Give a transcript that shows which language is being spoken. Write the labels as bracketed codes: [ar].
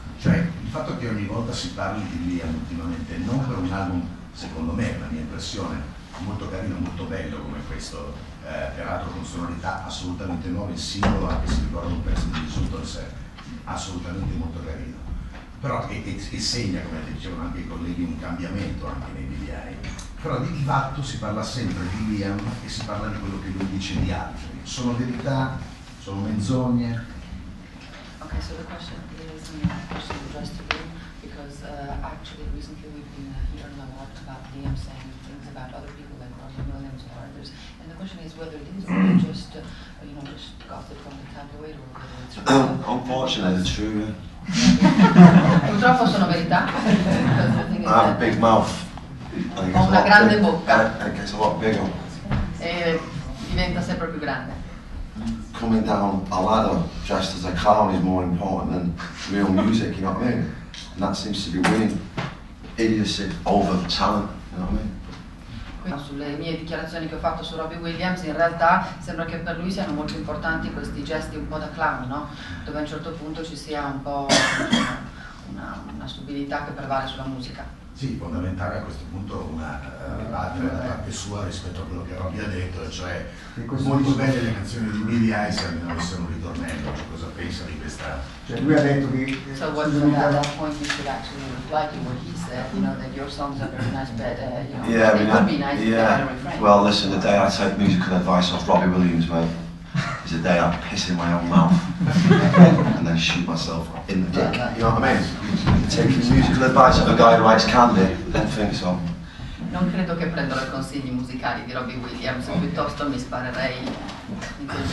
[it] Cioè, il fatto che ogni volta si parli di Liam ultimamente, non per un album, secondo me, la mia impressione, molto carino, molto bello come questo, peraltro con sonorità assolutamente nuove, singolo anche se ricorda un pezzo di Sultans, è assolutamente molto carino. Però, e segna, come dicevano anche i colleghi, un cambiamento anche nei BDI. Però di fatto si parla sempre di Liam e si parla di quello che lui dice di altri. Sono verità, sono menzogne. [en] Ok, so the question is, and the question addressed to you, because actually recently we've been hearing a lot about Liam saying things about other people like Robin Williams or others, and the question is whether these are just, you know, just gossip from the tabloid or whether it's real. Unfortunately, it's true. [it] Purtroppo sono verità. [en] I have a big mouth. [it] Ho una grande bocca. [en] It's a lot bigger. [it] E diventa sempre più grande. [en] Coming down a ladder dressed as a clown is more important than real music, you know what I mean? And that seems to be winning idiocy over talent, you know what I mean? [it] Quindi sulle mie dichiarazioni che ho fatto su Robbie Williams, in realtà sembra che per lui siano molto importanti questi gesti un po' da clown, no? Dove a un certo punto ci sia un po' una stupidità che prevale sulla musica. Sì, fondamentale a questo punto una altra parte sua rispetto a quello che Robby ha detto, cioè molto belle le canzoni di Billy Ice, almeno avessero un ritornello, cioè cosa pensa di questa. Cioè lui ha detto che. [en] So what's the point you should actually reply to what he said, you know, that your songs are very nice, but you know, yeah, I mean, would be nice if they had a refrain. Well listen, the day I take musical advice off Robby Williams, mate, is the day I piss in my own mouth and then shoot myself in the dick. You know what I mean? Taking musical advice of a guy who writes candy, then think so. [it] Non credo che prendo i consigli musicali di Robbie Williams, piuttosto mi sparerei in